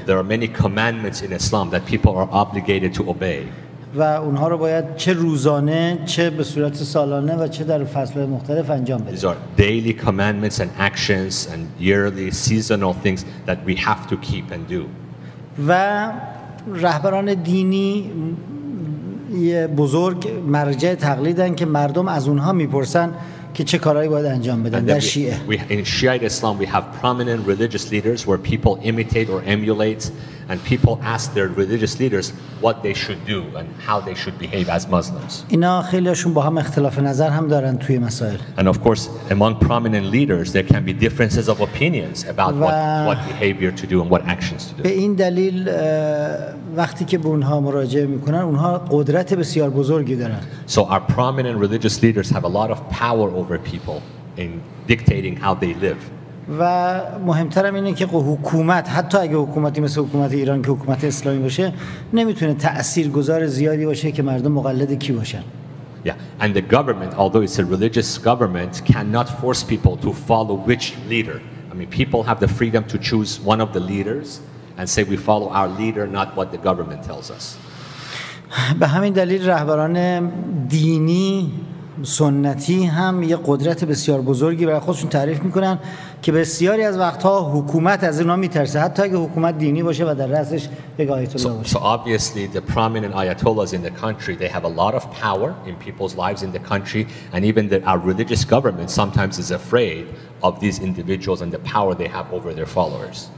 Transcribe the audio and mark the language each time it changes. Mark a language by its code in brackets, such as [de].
[en] There are many commandments in Islam that people are obligated to obey. [fa] و اونها رو باید چه روزانه، چه به صورت سالانه و چه در فصل‌های مختلف انجام بده. [en] These are daily commandments and actions and yearly seasonal things that we have to keep and do. [fa] و رهبران دینی یه بزرگ مرجع تقلیدن که مردم از اونها میپرسن که چه کارهایی باید انجام بدن در شیعه. [en] In Shiite Islam we have prominent religious leaders where people imitate or emulate and people ask their religious leaders what they should do and how they should behave as Muslims. [fa] اینا خیلیشون با هم اختلاف نظر هم دارن توی مسائل. [en] And of course among prominent leaders there can be differences of opinions about what behavior to do and what actions to do. [fa] به این دلیل وقتی که به اونها مراجعه میکنن اونها قدرت بسیار بزرگی دارن. [en] So our prominent religious leaders have a lot of power over people in dictating how they live. [fa] و مهمترم اینه که حکومت حتی اگه حکومتی مثل حکومت ایران که حکومت اسلامی باشه نمیتونه تأثیرگذار زیادی باشه که مردم مقلد کی باشن. [en] Yeah, and the government, although it's a religious government, cannot force people to follow which leader. I mean, people have the freedom to choose one of the leaders and say we follow our leader, not what the government tells us. [fa] به همین دلیل رهبران دینی سنتی هم یه قدرت بسیار بزرگی برای خودشون تعریف میکنن که بسیاری از وقتها حکومت از اینا میترسه حتی اگه حکومت دینی باشه و در رأسش یک آیت الله باشه. [en] So obviously the prominent ayatollahs in the country, they have a lot of power in people's lives in the country, and even our religious government sometimes is afraid of these individuals and the power they have over their followers.